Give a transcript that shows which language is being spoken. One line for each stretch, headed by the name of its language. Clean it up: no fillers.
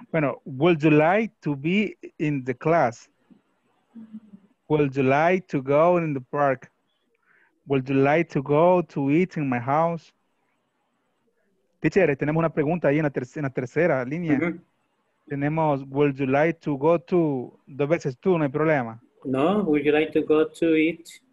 English: Bueno, would you like to be in the class? Would you like to go in the park? Would you like to go to eat in my house?
Spanish: Teacher, tenemos una pregunta ahí en la tercera línea. Mm-hmm. Tenemos,
English: would you like to go to,
Spanish: dos veces tú, no hay problema.
English: No, would you like to go to eat?